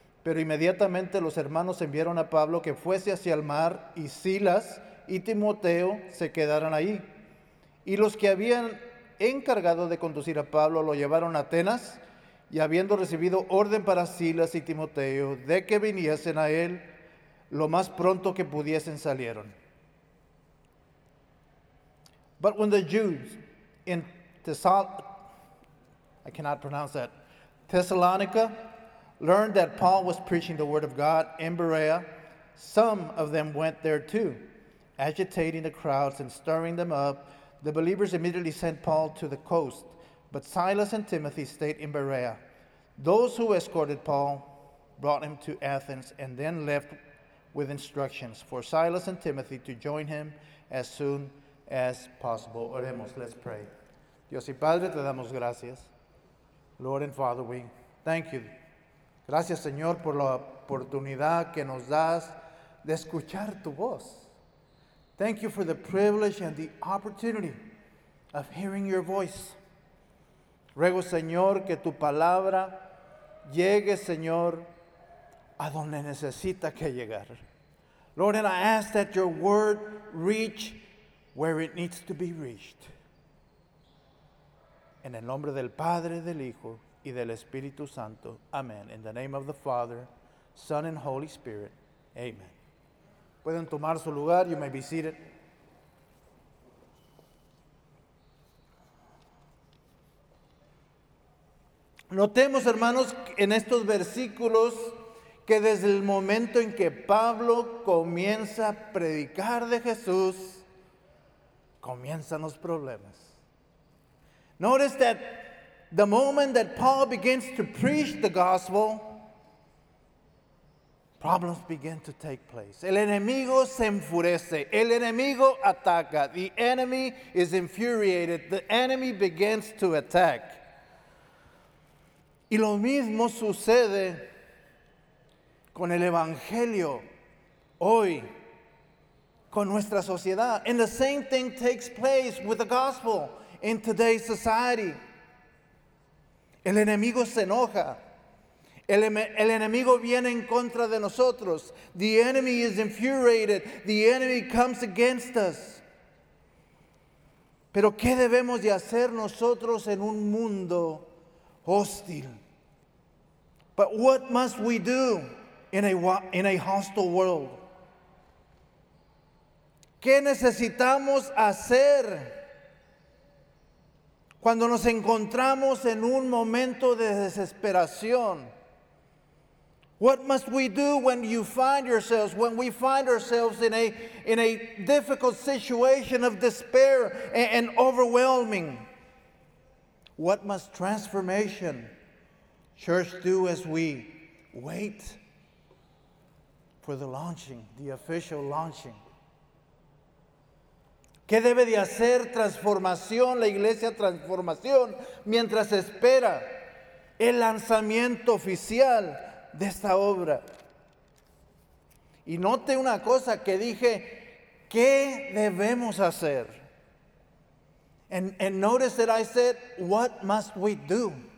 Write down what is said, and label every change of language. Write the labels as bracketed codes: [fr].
[es] Pero inmediatamente los hermanos enviaron a Pablo que fuese hacia el mar y Silas y Timoteo se quedaran ahí. Y los que habían encargado de conducir a Pablo lo llevaron a Atenas y habiendo recibido orden para Silas y Timoteo de que viniesen a él lo más pronto que pudiesen salieron. [en] But when the Jews in Thessalonica learned that Paul was preaching the word of God in Berea, some of them went there too, agitating the crowds and stirring them up. The believers immediately sent Paul to the coast, but Silas and Timothy stayed in Berea. Those who escorted Paul brought him to Athens and then left with instructions for Silas and Timothy to join him as soon as possible. [es] Oremos, [en] let's pray. [es] Dios y Padre, te damos gracias. [en] Lord and Father, we thank you. [es] Gracias, Señor, por la oportunidad que nos das de escuchar tu voz. [en] Thank you for the privilege and the opportunity of hearing your voice. [es] Ruego, Señor, que tu palabra llegue, Señor, a donde necesita que llegar. [en] Lord, and I ask that your word reach where it needs to be reached. [es] En el nombre del Padre, del Hijo, y del Espíritu Santo. Amen. [en] In the name of the Father, Son, and Holy Spirit. [es] Amen. Pueden tomar su lugar. [en] You may be seated. [es] Notemos, hermanos, en estos versículos que desde el momento en que Pablo comienza a predicar de Jesús, comienzan los problemas. [en] Notice that the moment that Paul begins to preach the gospel, problems begin to take place. [es] El enemigo se enfurece. El enemigo ataca. [en] The enemy is infuriated. The enemy begins to attack. [es] Y lo mismo sucede con el evangelio hoy, con nuestra sociedad. [en] And the same thing takes place with the gospel in today's society. [es] El enemigo se enoja. El enemigo viene en contra de nosotros. [en] The enemy is infuriated. The enemy comes against us. [es] Pero ¿qué debemos de hacer nosotros en un mundo hostil? [en] But what must we do in a hostile world? [es] ¿Qué necesitamos hacer cuando nos encontramos en un momento de desesperación? [en] What must we do when you find yourselves, when we find ourselves in a difficult situation of despair and overwhelming? What must Transformation Church do as we wait for the launching, the official launching? [es] ¿Qué debe de hacer Transformación, la Iglesia Transformación, mientras espera el lanzamiento oficial de esta obra? Y note una cosa que dije, ¿qué debemos hacer? [en] And notice that I said, what must we do?